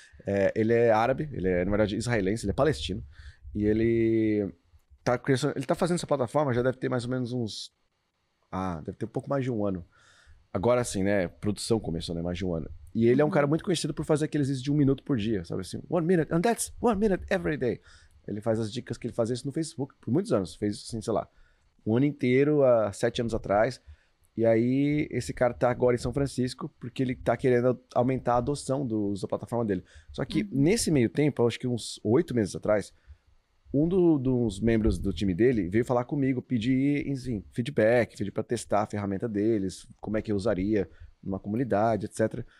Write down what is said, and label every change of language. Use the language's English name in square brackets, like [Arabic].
[Portuguese] É, ele é árabe, ele é, na verdade, israelense, ele é palestino, e ele tá fazendo essa plataforma, já deve ter mais ou menos uns... Ah, deve ter um pouco mais de um ano. Agora sim, né? Produção começou, né? Mais de um ano. E ele é um cara muito conhecido por fazer aqueles vídeos de um minuto por dia, sabe assim? [English] 1 minute, and that's 1 minute every day. [Portuguese] Ele faz as dicas que ele fazia isso no Facebook por muitos anos. Fez isso, assim, sei lá, um ano inteiro, há 7 anos atrás. E aí, esse cara tá agora em São Francisco porque ele tá querendo aumentar a adoção da plataforma dele. Só que, nesse meio tempo, acho que uns 8 meses atrás, um dos membros do time dele veio falar comigo, pedir, enfim, feedback, pedir pra testar a ferramenta deles, como é que eu usaria numa comunidade, etc.